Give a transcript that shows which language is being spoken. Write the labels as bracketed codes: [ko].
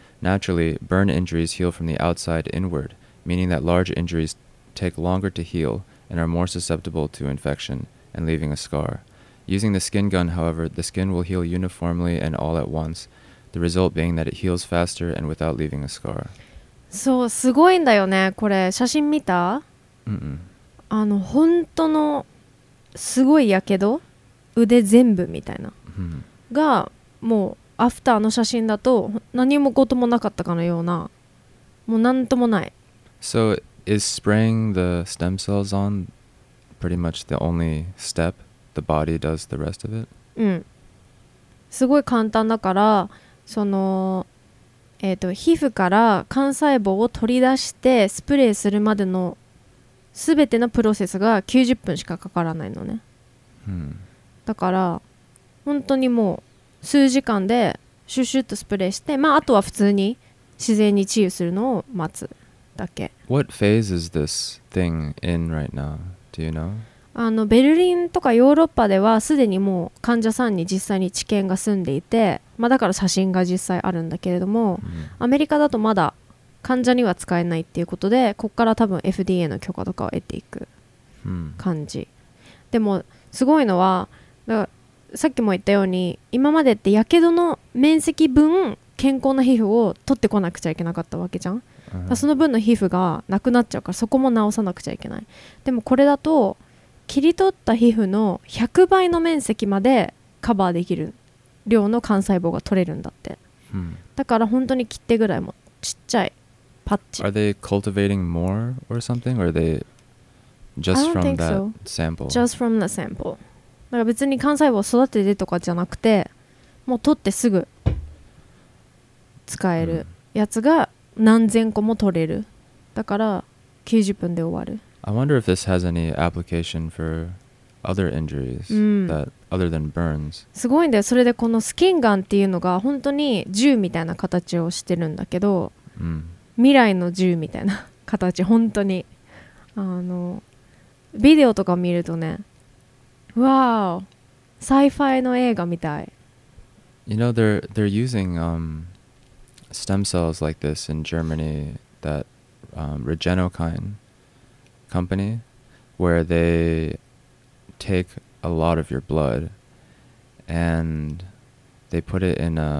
[en] Naturally, burn injuries heal from the outside inward, meaning that large injuriesTake longer to heal and are more susceptible to infection and leaving a scar. Using the skin gun, however, the skin will heal uniformly and all at once, the result being that it heals faster and without leaving a scar. [ja] そう、すごいんだよね、これ。写真見た？あの、本当のすごいやけど、腕全部みたいな。が、もう、アフターの写真だと、何もこともなかったかのような、もうなんともない。 [en] So,Is spraying the stem cells on pretty much the only step the body does the rest of it? [ja] うん。すごい簡単だから、その、皮膚から肝細胞を取り出してスプレーするまでの全てのプロセスが90分しかかからないのね。だから、本当にもう数時間でシュッシュッとスプレーして、まあ、あとは普通に自然に治癒するのを待つ。 [en] What phase is this thing in right now? Do you know? [ja] あの、ベルリンとかヨーロッパではすでにもう患者さんに実際に治験が済んでいて、まあ、だから写真が実際あるんだけれども、アメリカだとまだ患者には使えないっていうことで、こっから多分 FDA の許可とかを得ていく感じ。でもすごいのは、だからさっきも言ったように、今までって火傷の面積分健康な皮膚を取ってこなくちゃいけなかったわけじゃん。その分の皮膚がなくなっちゃうから、そこも治さなくちゃいけない。でもこれだと切り取った皮膚の100倍の面積までカバーできる量の肝細胞が取れるんだって、だから本当に切手ぐらいもちっちゃいパッチ。 [en] Are they cultivating more or something? Or are they just from that sample? Just from the sample. [ja] だから別に肝細胞育ててとかじゃなくて、もう取ってすぐ使えるやつが何千個も取れる。だから90分で終わる。 [en] I wonder if this has any application for other injuries that other than burns. [ja] すごいんだよ。それでこのスキンガンっていうのが本当に銃みたいな形をしてるんだけど、未来の銃みたいな形、本当に。あの、ビデオとか見るとね、わー、サイファイの映画みたい。 [en] You know, they're using, stem cells like this in Germany, that Regenokine company, where they take a lot of your blood and they put it in